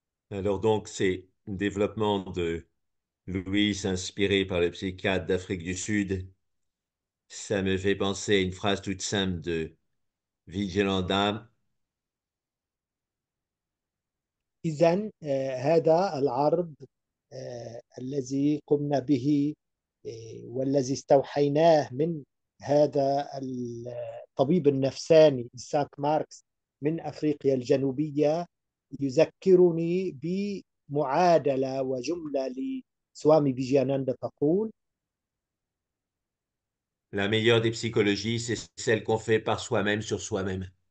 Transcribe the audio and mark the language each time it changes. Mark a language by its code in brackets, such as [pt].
[fr] Alors donc, c'est un développement de Louise inspiré par le psychiatre d'Afrique du Sud. Ça me fait penser à une phrase toute simple de Vigilant Dame. [ar] إذن هذا العرض الذي قمنا به والذي استوحيناه من هذا الطبيب النفساني إيساك ماركس من أفريقيا الجنوبية يذكرني بمعادلة وجملة لسوامي فيجياناندا تقول: [fr] La meilleure des psychologies, c'est celle qu'on fait par soi-même sur soi-même.